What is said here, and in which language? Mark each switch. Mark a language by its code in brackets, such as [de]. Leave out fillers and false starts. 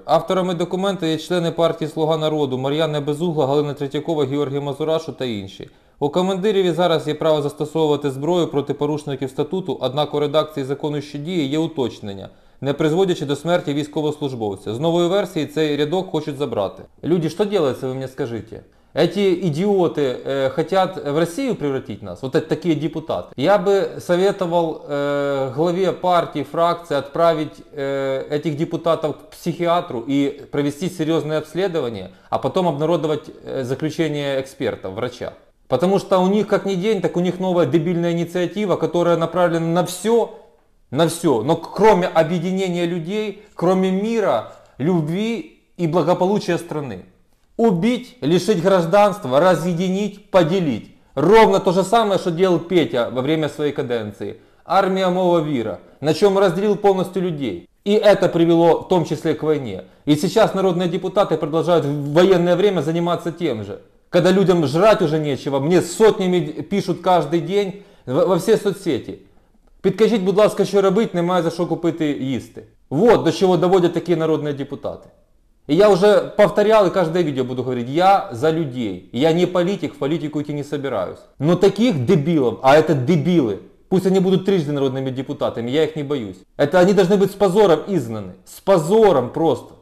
[uk] Авторами документа є члени партії «Слуга народу» Мар'яна Безугла, Галина Третьякова, Георгій Мазурашу та інші. У командирів зараз є право застосовувати зброю проти порушників статуту, однак у редакції закону, що діє, є уточнення, не призводячи до смерті військовослужбовця. З новою версії цей рядок хочуть забрати. Люди, що робиться, ви мені скажіть? [ru] Эти идиоты хотят в Россию превратить нас, вот это такие депутаты. Я бы советовал главе партии, фракции отправить этих депутатов к психиатру и провести серьезное обследование, а потом обнародовать заключение эксперта, врача. Потому что у них как ни день, так у них новая дебильная инициатива, которая направлена на все, но кроме объединения людей, кроме мира, любви и благополучия страны. Убить, лишить гражданства, разъединить, поделить. Ровно то же самое, что делал Петя во время своей каденции. Армия мова віра, на чем разделил полностью людей. И это привело в том числе к войне. И сейчас народные депутаты продолжают в военное время заниматься тем же. Когда людям жрать уже нечего, мне сотнями пишут каждый день во все соцсети. [uk] Підкажіть, будь ласка, що робити, немає за що купити їсти. [ru] Вот до чего доводят такие народные депутаты. И я уже повторял и каждое видео буду говорить, я за людей, я не политик, в политику идти не собираюсь. Но таких дебилов, а это дебилы, пусть они будут трижды народными депутатами, я их не боюсь. Это они должны быть с позором изгнаны, с позором просто.